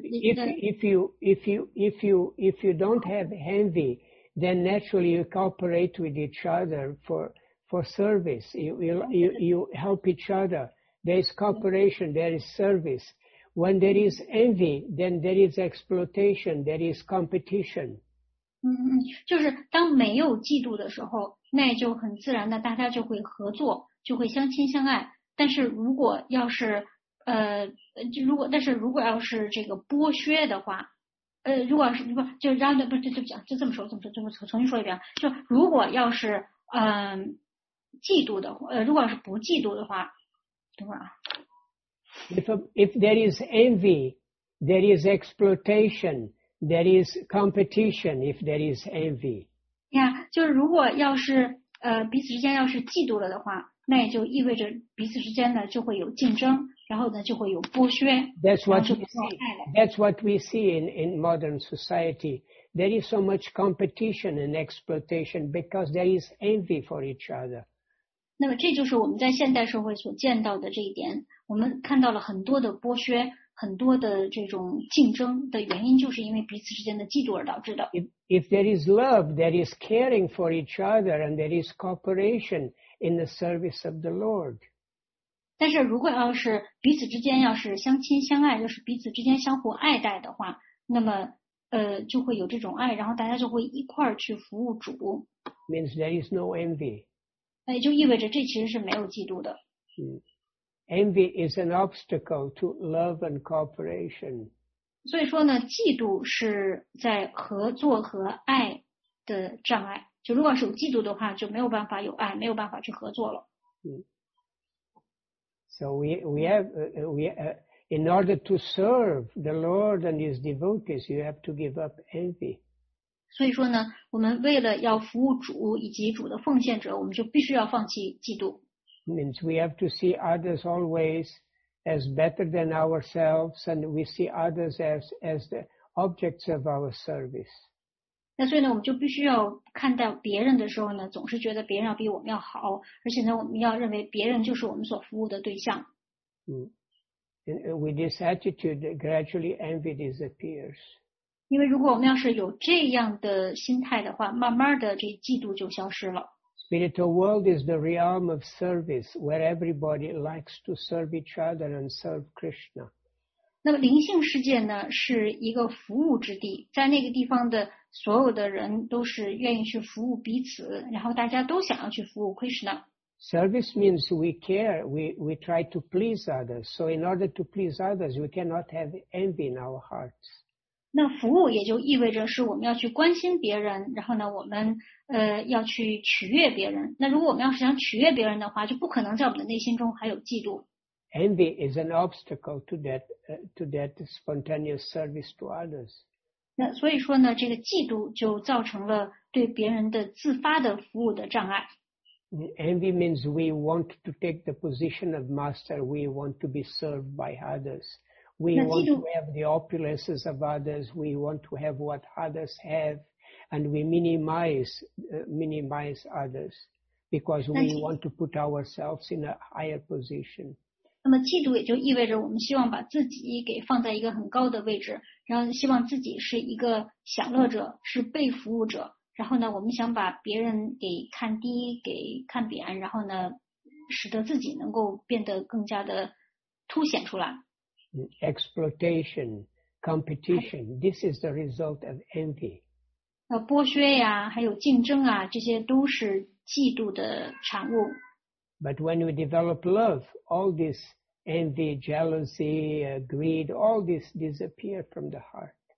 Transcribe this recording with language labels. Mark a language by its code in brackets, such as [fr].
[en] if you don't have envy, then naturally you cooperate with each other for service. You help each other. There is cooperation. There is service. When there is envy, then there is exploitation. There is competition. [zh] 就是当没有嫉妒的时候，那就很自然的，大家就会合作，就会相亲相爱。但是如果要是如果要是这个剥削的话，如果是不就让的不是就讲就这么说，这么说重新说一遍，就如果要是嫉妒的话，如果要是不嫉妒的话，等会儿啊。 [en] If there is envy, there is exploitation, there is competition. If there is envy, [zh] 呀， yeah, 就是如果要是彼此之间要是嫉妒了的话。那也就意味着彼此之间呢就会有竞争，然后呢就会有剥削。 [en] That's what we see in modern society. There is so much competition and exploitation because there is envy for each other. [zh] 那么这就是我们在现代社会所见到的这一点。我们看到了很多的剥削，很多的这种竞争的原因，就是因为彼此之间的嫉妒而导致的。 [en] If there is love, there is caring for each other, and there is cooperation. In the service of the Lord. [zh] 但是如果要是彼此之间要是相亲相爱，就是彼此之间相互爱戴的话，那么就会有这种爱，然后大家就会一块儿去服务主。 [en] Means there is no envy. [zh] 那也就意味着这其实是没有嫉妒的。 [en] Envy is an obstacle to love and cooperation. [zh] 所以说呢，嫉妒是在合作和爱的障碍。就如果是有嫉妒的话，就没有办法有爱，没有办法去合作了。 [en] So in order to serve the Lord and His devotees, you have to give up envy. [zh] 所以说呢，我们为了要服务主以及主的奉献者，我们就必须要放弃嫉妒。 [en] Means we have to see others always as better than ourselves, and we see others as the objects of our service. [zh] 那所以呢，我们就必须要看待别人的时候呢，总是觉得别人要比我们要好，而且呢，我们要认为别人就是我们所服务的对象。 [en] With this attitude, gradually envy disappears. [zh] 因为如果我们要是有这样的心态的话，慢慢的这嫉妒就消失了。 [en] Spiritual world is the realm of service where everybody likes to serve each other and serve Krishna. [zh] 那么灵性世界呢，是一个服务之地，在那个地方的所有的人都是愿意去服务彼此，然后大家都想要去服务 Krishna. [en] Service means we care, we try to please others. So in order to please others, we cannot have envy in our hearts. [zh] 那服务也就意味着是我们要去关心别人，然后呢，我们要去取悦别人。那如果我们要是想取悦别人的话，就不可能在我们的内心中还有嫉妒。 [en] Envy is an obstacle to that spontaneous service to others. [zh] 那所以说呢，这个嫉妒就造成了对别人的自发的服务的障碍。 [en] Envy means we want to take the position of master. We want to be served by others. We want to have the opulences of others. We want to have what others have. And we minimize others because we want to put ourselves in a higher position. [zh] 那么嫉妒也就意味着我们希望把自己给放在一个很高的位置，然后希望自己是一个享乐者，是被服务者。然后呢，我们想把别人给看低，给看扁，然后呢，使得自己能够变得更加的凸显出来。 [en] Exploitation, competition, this is the result of envy. [zh] 剥削呀，还有竞争啊，这些都是嫉妒的产物。 [en] But when we develop love, all this envy, jealousy, greed, all this disappear from the heart.